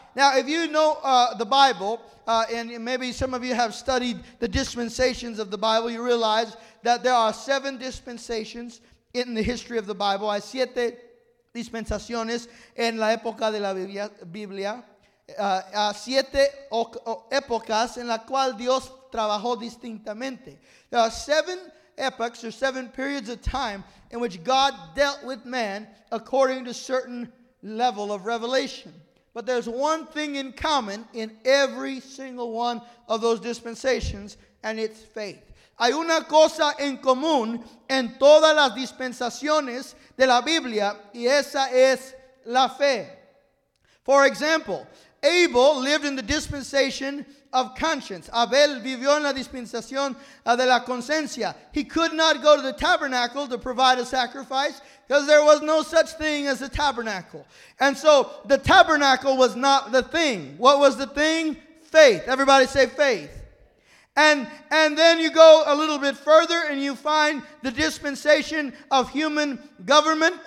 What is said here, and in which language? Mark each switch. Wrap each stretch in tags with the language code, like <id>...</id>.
<en>Now, if you know the Bible, and maybe some of you have studied the dispensations of the Bible, you realize that there are 7 dispensations in the history of the Bible.</en> <es>Hay 7 dispensaciones en la época de la Biblia, a 7 épocas en la cual Dios trabajó distintamente.</es> <en>There are 7 epochs or 7 periods of time in which God dealt with man according to certain level of revelation. But there's one thing in common in every single one of those dispensations, and it's faith.</en> <es>Hay una cosa en común en todas las dispensaciones de la Biblia, y esa es la fe.</es> <en>For example, Abel lived in the dispensation of conscience.</en> <es>Abel vivió en la dispensación de la conciencia.</es> <en>He could not go to the tabernacle to provide a sacrifice because there was no such thing as a tabernacle. And so the tabernacle was not the thing. What was the thing? Faith. Everybody say faith. And then you go a little bit further and you find the dispensation of human government.</en>